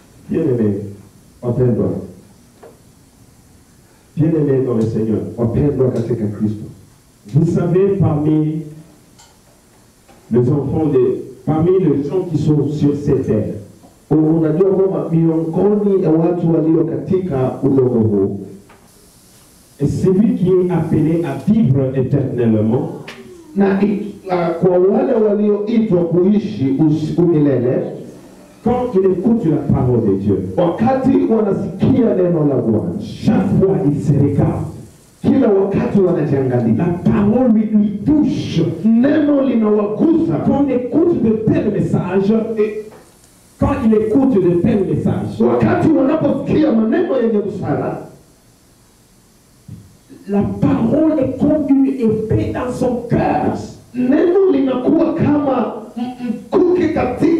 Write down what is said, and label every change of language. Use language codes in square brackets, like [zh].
[fr] Bien-aimé, [sw] wapendwa. [fr] Bien-aimé dans le Seigneur, [sw] wapendwa katika Kristo. [fr] Vous savez, parmi les enfants de, parmi les gens qui sont sur cette terre, [sw] unajua kwamba miongoni ya watu walio katika ulimwengu huu, [fr] et celui qui est appelé à vivre éternellement, [sw] na kwa wale walioitwa kuishi milele. [fr] Quand il écoute la parole de Dieu, [sw] wakati wanasikia neno la Bwana, [fr] chaque fois il se regarde, [sw] kila wakati wanajiangalia, [fr] la parole lui touche, [sw] neno linawagusa. [fr] Quand il écoute de tels messages, [sw] wakati wanaposikia maneno yenye busara, [fr] la parole est comme une épée dans son cœur, [sw] neno linakuwa kama kuki katika